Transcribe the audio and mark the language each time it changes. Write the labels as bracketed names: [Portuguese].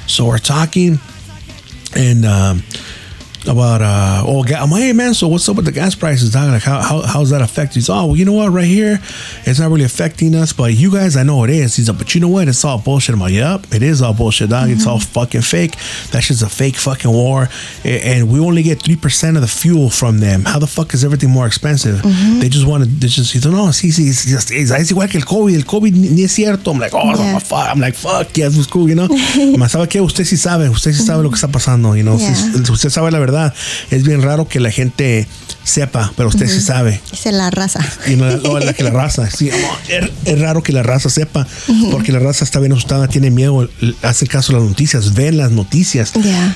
[English] So we're talking and, About, so what's up with the gas prices, dog? Like, how's that affect? He's, oh, well, you know what, right here, it's not really affecting us, but you guys, I know it is. He's like, but you know what, it's all bullshit. I'm like, yep, it is all bullshit, dog. Mm-hmm. It's all fucking fake. That shit's a fake fucking war. And we only get 3% of the fuel from them. How the fuck is everything more expensive? Mm-hmm. [Spanish] He's igual que el COVID ni es cierto. [English] I'm like, fuck, yeah, this was cool, you know? [Spanish] Me sabe que usted sí sabe lo que está pasando, [English] you know? Yeah. [Spanish] Usted sabe la verdad. Es bien raro que la gente sepa, pero usted uh-huh. sí sabe. Es la raza. Y no es la raza. Sí, es raro que la raza sepa, uh-huh. porque la raza está bien asustada, tiene miedo, hace caso a las noticias, ven las noticias. [English] Yeah.